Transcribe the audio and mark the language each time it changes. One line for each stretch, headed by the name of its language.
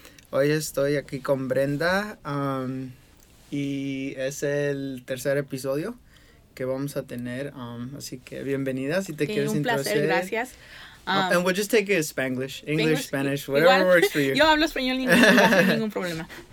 Spanish: Hoy estoy aquí con Brenda y es el tercer episodio que vamos a tener. Así que bienvenida, si te quieres introducir. Un placer, gracias.
English: And we'll just take it as Spanglish, English, Spanish, whatever
Spanish: igual,
English: works for you.
Spanish: Yo hablo español y no hay ningún problema.